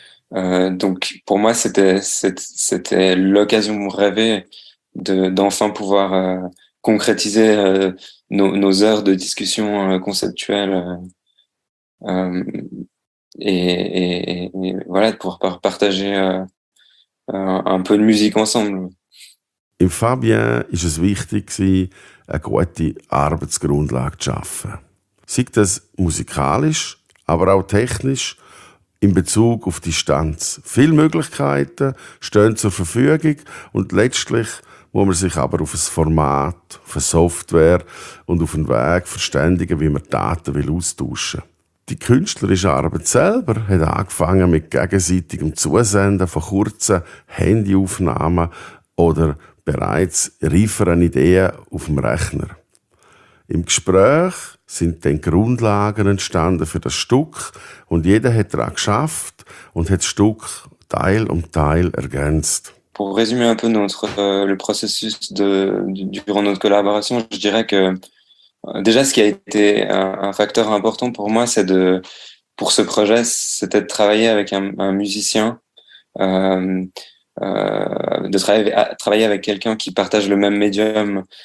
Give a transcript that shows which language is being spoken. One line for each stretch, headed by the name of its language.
French: Donc, pour moi, c'était l'occasion rêvée d'enfin pouvoir concrétiser nos heures de discussion conceptuelle. Et voilà, de pouvoir partager un peu de musique ensemble.
German: Im Fabien ist es wichtig gewesen, eine gute Arbeitsgrundlage zu schaffen. Sei das musikalisch, aber auch technisch in Bezug auf Distanz. Viele Möglichkeiten stehen zur Verfügung und letztlich muss man sich aber auf ein Format, auf eine Software und auf einen Weg verständigen, wie man Daten will austauschen will. Die künstlerische Arbeit selber hat angefangen mit gegenseitigem Zusenden von kurzen Handyaufnahmen oder bereits reiferen Ideen auf dem Rechner. Im Gespräch sind dann Grundlagen entstanden für das Stück und jeder hat daran geschafft und hat das Stück Teil um Teil ergänzt.
French: Pour résumer un peu le processus durant notre collaboration, je dirais que déjà ce qui a été un facteur important pour moi, pour ce projet, c'était de travailler avec un musicien, de travailler avec quelqu'un qui partage le même médium.